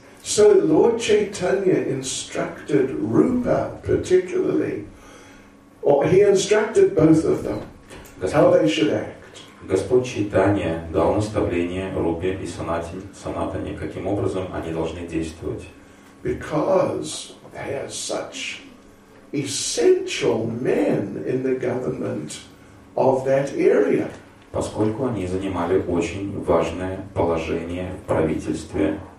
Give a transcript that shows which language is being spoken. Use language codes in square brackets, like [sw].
[en] So Lord Chaitanya instructed Rupa particularly, or he instructed both of them how they should act. [ru] Господь Чайтанья дал наставление Рупе и Санатане, каким образом они должны действовать. [en] Because they are such essential men in the government of that area. [ru] Поскольку они занимали очень важное положение в правительстве.